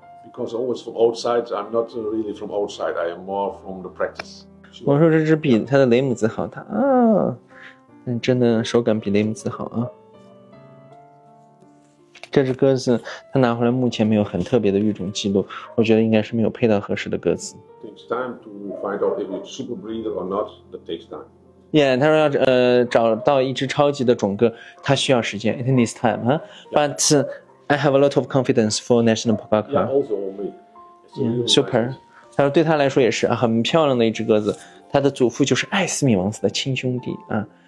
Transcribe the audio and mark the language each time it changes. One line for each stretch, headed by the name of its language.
English: Because always from outside, I'm not really from outside. I am more from the practice.、 Sure.
Chinese: 我说这只比他的雷姆兹好，他啊，真的手感比雷姆兹好啊。这只鸽子他拿回来，目前没有很特别的育种记录，我觉得应该是没有配到合适的鸽子。
English: Takes time to find out if it's super breed or not. That takes time.
Chinese: Yeah, 他说要找到一只超级的种鸽，他需要时间。
English: It needs time, huh? But、 yeah. I have a lot of confidence for National Poker Car. Yeah, also me. Super.
Chinese: 他说对他来说也是、啊、很漂亮的一只鸽子。他的祖父就是艾斯米王子的亲兄弟啊。